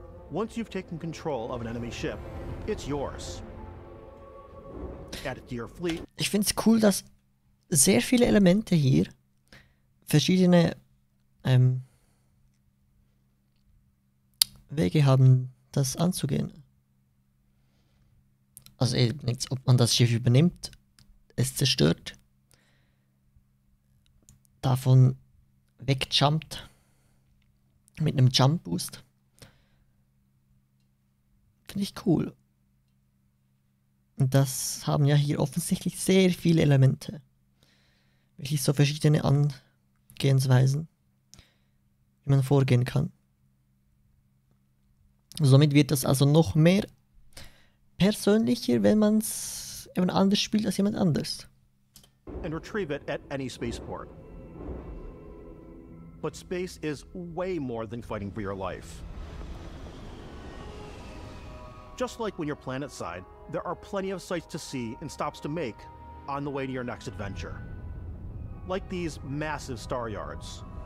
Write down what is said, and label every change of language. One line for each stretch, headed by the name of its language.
English: Once you've taken control of an enemy ship, it's yours. Add it to your fleet.
German: Ich find's cool, dass sehr viele Elemente hier verschiedene Wege haben, das anzugehen. Also eben jetzt, ob man das Schiff übernimmt, es zerstört, davon wegjumpt mit einem Jump Boost. Finde ich cool. Und das haben ja hier offensichtlich sehr viele Elemente. Wirklich so verschiedene Angehensweisen, wie man vorgehen kann. Somit wird das also noch mehr persönlicher, wenn man es eben anders spielt als jemand anders.
English: And retrieve it at any spaceport. But space is way more than fighting for your life. Just like when you're planetside, there are plenty of sights to see and stops to make on the way to your next adventure. Like these massive star yards.